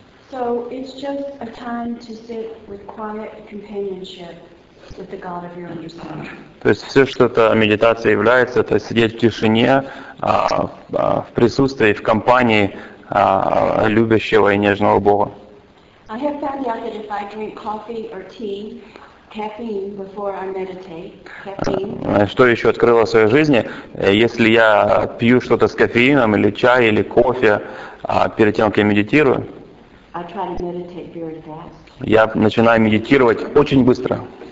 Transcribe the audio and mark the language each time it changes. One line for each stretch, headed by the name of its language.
English: So it's just a time to sit with quiet companionship. With the God of your understanding.
Russian: То есть все, что это медитация является, это сидеть в тишине, в присутствии, в компании любящего и нежного Бога.
English: I have found out that if I drink coffee or tea, caffeine before I meditate, caffeine.
Russian: Что еще открыло в своей жизни? Если я пью что-то с кофеином или чай или кофе перед тем, как я медитирую,
English: I try to meditate very fast.
Russian: Я начинаю медитировать очень быстро.